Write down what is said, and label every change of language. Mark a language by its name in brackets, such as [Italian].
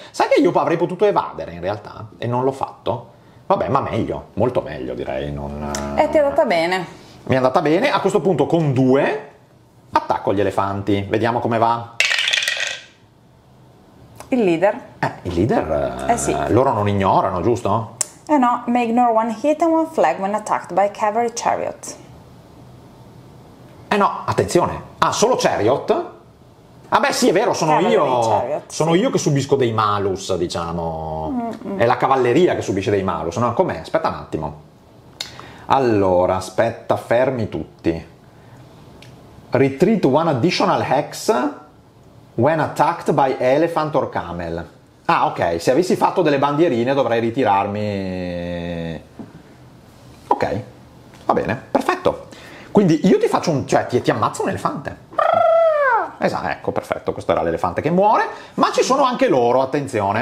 [Italian] Sai che io avrei potuto evadere in realtà e non l'ho fatto? Vabbè, ma meglio. Molto meglio, direi. Ti è andata bene. Mi è andata bene. A questo punto con 2 attacco gli elefanti. Vediamo come va. Il leader. Il leader? Sì. Loro non ignorano, giusto? [English] No. May ignore one hit and one flag when attacked by a cavalry chariot. [Italian] Eh no, attenzione, ah, solo Chariot? Ah beh, sì, è vero, sono io. Sono io che subisco dei malus, diciamo. È la cavalleria che subisce dei malus, no? Com'è? Aspetta un attimo. Allora, aspetta, fermi tutti. [English] Retreat one additional hex when attacked by elephant or camel. [Italian] Ah, ok, se avessi fatto delle bandierine dovrei ritirarmi. Ok, va bene, perfetto. Quindi io ti faccio un... cioè, ti ammazzo un elefante. Esatto, ecco, perfetto, questo era l'elefante che muore. Ma ci sono anche loro, attenzione.